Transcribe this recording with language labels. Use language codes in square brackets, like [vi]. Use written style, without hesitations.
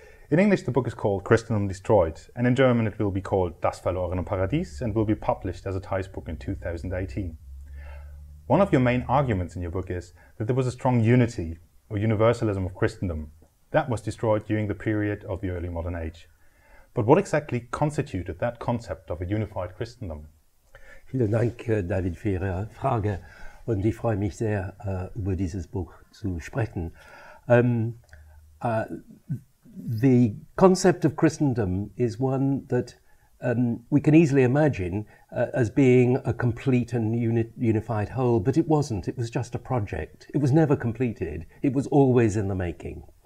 [en] In English, the book is called Christendom Destroyed, and in German it will be called Das verlorene Paradies and will be published as a Thais book in 2018. One of your main arguments in your book is that there was a strong unity or universalism of Christendom that was destroyed during the period of the early modern age. But what exactly constituted that concept of a unified Christendom? [de] Vielen Dank, David, für Ihre Frage. Und ich freue mich sehr, über dieses Buch zu sprechen. [en] The concept of Christendom is one that we can easily imagine as being a complete and unified whole, but it wasn't. It was just a project. It was never completed. It was always in the making.